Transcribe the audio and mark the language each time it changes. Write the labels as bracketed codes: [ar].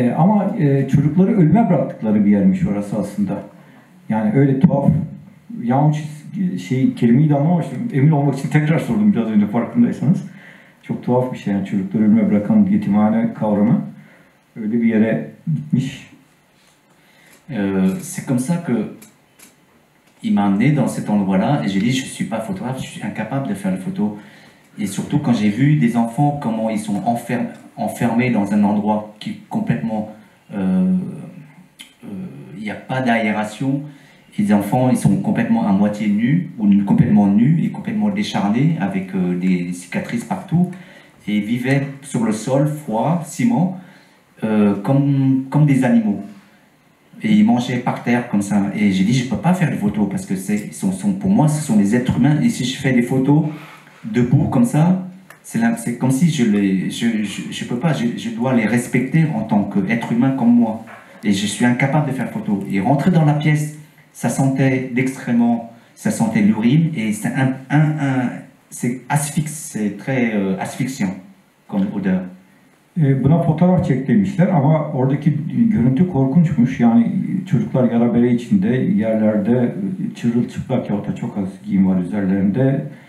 [tr] Ama çocukları ölüme bıraktıkları bir yermiş orası aslında. Yani öyle tuhaf. Yanlış kelimeyi de anlamamıştım. Emin olmak için tekrar sordum biraz önce farkındaysanız. Çok tuhaf bir şey yani çocukları ölüme bırakan yetimhane kavramı. Öyle bir yere gitmiş. [fr] C'est comme ça que il m'a amené dans cet endroit-là et j'ai dit je suis pas photographe, je suis incapable de faire les photos. Et surtout quand j'ai vu des enfants, comment ils sont enfermés dans un endroit qui est complètement, il n'y a pas d'aération. Les enfants, ils sont complètement à moitié nus, ou complètement nus et complètement décharnés, avec des cicatrices partout. Et ils vivaient sur le sol, froid, ciment, comme des animaux. Et ils mangeaient par terre comme ça. Et j'ai dit, je ne peux pas faire des photos, parce que pour moi, ce sont des êtres humains. Et si je fais des photos debout comme ça, c'est comme si je dois les respecter en tant qu'être humain comme moi. Et je suis incapable de faire photo. Et rentrer dans la pièce, ça sentait d'extrêmement, ça sentait l'urine et c'est très asphyxiant comme odeur. [tr] Buna fotoğraf çek demişler ama oradaki görüntü korkunçmuş. Yani çocuklar yara bere içinde, yerlerde çırılçıplak yahut da çok az giyim var üzerlerinde.